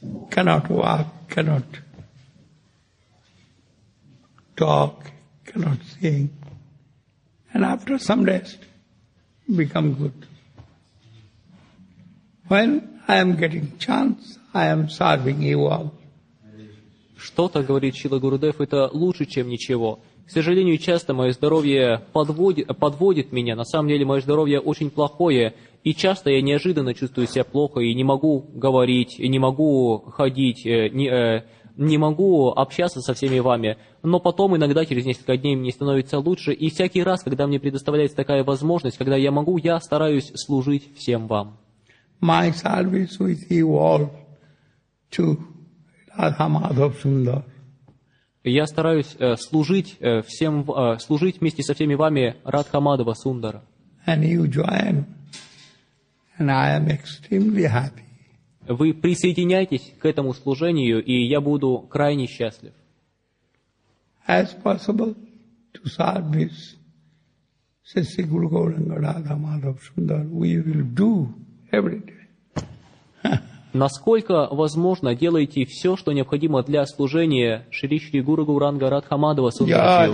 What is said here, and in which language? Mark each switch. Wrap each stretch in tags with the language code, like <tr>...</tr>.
<en>Cannot walk, cannot talk, cannot sing. And after some rest, become good. When I am getting chance, I am serving you all.</en> <ru>Что-то, говорит Шрила Гурудев, это лучше, чем ничего. К сожалению, часто мое здоровье подводит меня. На самом деле, мое здоровье очень плохое. И часто я неожиданно чувствую себя плохо и не могу говорить, и не могу ходить, не могу общаться со всеми вами. Но потом, иногда, через несколько дней, мне становится лучше. И всякий раз, когда мне предоставляется такая возможность, когда я могу, я стараюсь служить всем вам.</ru> <en>My service with you all to Radha Madhav Sundar.</en> <ru>Я стараюсь служить вместе со всеми вами Радха Мадхава Сундара.</ru> <en>And you join, and I am extremely happy.</en> <ru>Вы присоединяйтесь к этому служению, и я буду крайне счастлив.</ru> <en>As possible to serve Sisi Guru Gauranga Radha Madhava Sundara, we will do every day.</en> <ru>Насколько возможно, делайте все, что необходимо для служения Шри Шри Гуру Гауранга Радха Мадхава Сундара.</ru>